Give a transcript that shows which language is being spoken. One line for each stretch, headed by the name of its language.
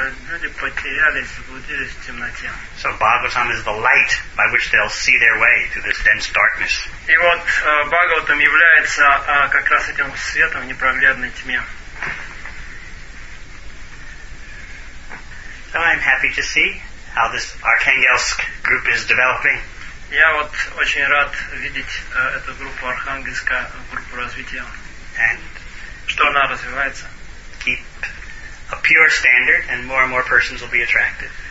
Russian: Люди потерялись, заблудились в темноте.
English: So Bhagavatam is the light by which they'll see their way through this dense darkness.
Russian: И вот Бхагаватам является как раз этим светом в непроглядной тьме.
English: So I'm happy to see how this Arkhangelsk group is developing.
Russian: Я вот очень рад видеть эту группу Архангельска, группу развития.
English: And
Russian: что она развивается?
English: Keep a pure standard, and more persons will be attracted.